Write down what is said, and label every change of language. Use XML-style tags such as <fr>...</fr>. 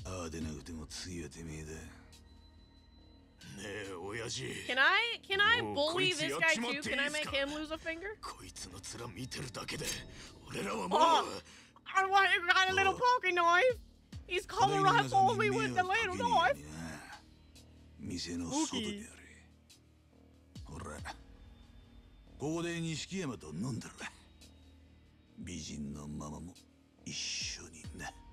<ja>でなくても次はてめえだ。ねえ、親父。</ja> <en>Can I bully this guy too? Can I make him lose a finger?</en> <ja>こいつの面見てるだけで、俺らはもう。</ja> <en>あ、I want a little pocket knife. He's coming right for me with the little knife.</en> <ja>店の外にある。ほら、ここで錦山と飲んでる。美人のママも一緒にな。</ja>